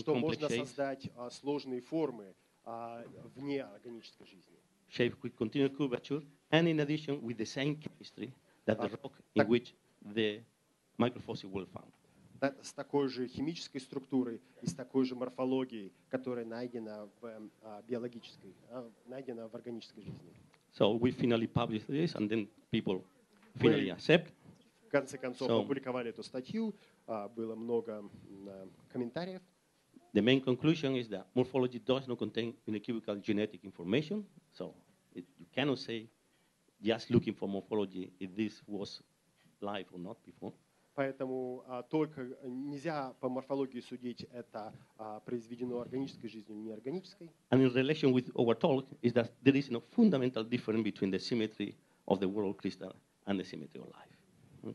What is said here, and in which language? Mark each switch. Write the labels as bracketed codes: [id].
[ru] что [en] complex [ru] можно создать сложные формы вне органической жизни. [en] Shape with continuous curvature and in addition with the same chemistry that the rock in which the microfossil were found. [ru] С такой же химической структурой и с такой же морфологией, которая найдена в биологической, найдена в органической жизни. [en] So we finally published this and then people finally accept. [ru] В конце концов, опубликовали эту статью, было много комментариев. [en] The main conclusion is that morphology does not contain unequivocal genetic information, so you cannot say just looking for morphology if this was life or not before. [ru] Поэтому только нельзя по морфологии судить, это произведено органической жизнью или неорганической. [en] And in relation with our talk is that there is no fundamental difference between the symmetry of the world crystal and the symmetry of life.